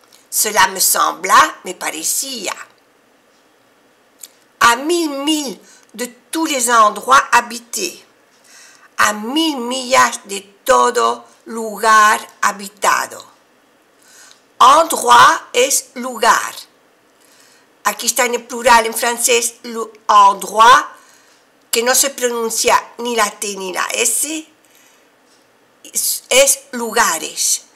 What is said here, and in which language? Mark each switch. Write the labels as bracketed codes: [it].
[fr] Cela me sembla, [es] me parecía. [fr] À mille milles de tous les endroits habités. [es] À mille millas de todo lugar habitado. Endroit es lugar. Aquí está en el plural en francés, endroit, que no se pronuncia ni la T ni la S, es lugares,